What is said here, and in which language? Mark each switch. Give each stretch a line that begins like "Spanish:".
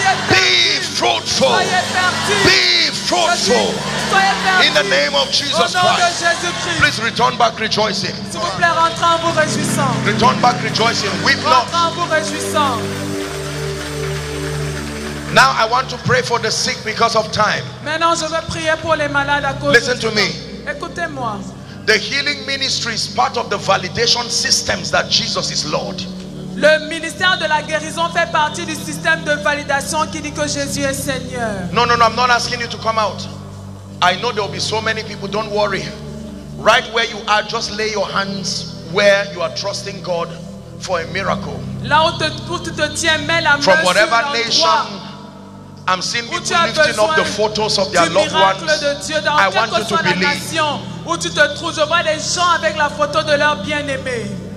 English: Be fruitful. Be fruitful. In the name of Jesus Christ. Please return back rejoicing.
French: S'il vous plaît, rentrez en vous réjouissant.
English: Return back rejoicing. Weep not.
French: Rentrez en vous réjouissant.
English: Now I want to pray for the sick because of time.
French: Maintenant, je vais prier pour les malades à cause.
English: Listen to me.
French: Écoutez-moi.
English: The healing ministry is part of the validation systems that Jesus is Lord.
French: Le ministère de la guérison fait partie du système de validation qui dit que Jésus est Seigneur.
English: No, I'm not asking you to come out. I know there will be so many people. Don't worry. Right where you are, just lay your hands where you are trusting God for a miracle.
French: Là où tu te tiens, mets la main.
English: From whatever nation, I'm seeing people lifting up the photos of their loved ones. I want you to believe.
French: Où tu te trouves, je vois les gens avec la photo de leur bien-aimé.